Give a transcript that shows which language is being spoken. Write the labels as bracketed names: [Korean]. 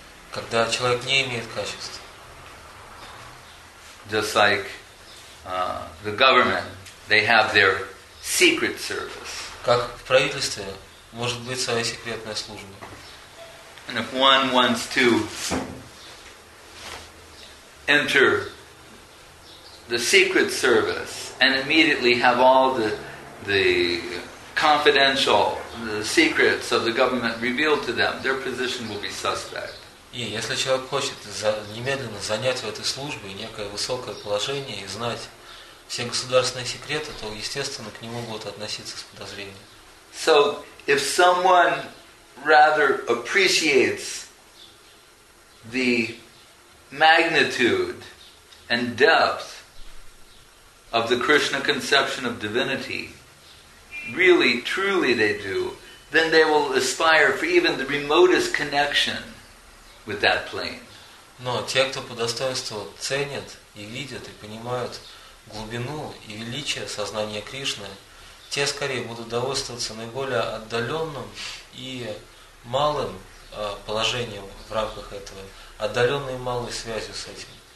[Russian] Когда человек не имеет качества. [English] Just like the government, they have their secret service. [Russian] Как в правительстве может быть своя секретная служба? [English] And if one wants to enter the secret service and immediately have all the confidential, the secrets of the government revealed to them, their position will be suspect. [Russian] И если человек хочет немедленно занять в этой службе некое высокое положение и знать все государственные секреты, то, естественно, к нему будут относиться с подозрением. [English] So, if someone rather appreciates the magnitude and depth of the Krishna conception of divinity, really, truly they do, then they will aspire for even the remotest connection with that plane. [Russian] Но те, кто по достоинству ценят и видят и понимают глубину и величие сознания Кришны, те скорее будут довольствоваться наиболее отдаленным и малым положением в рамках этого, отдаленной и малой связью с этим.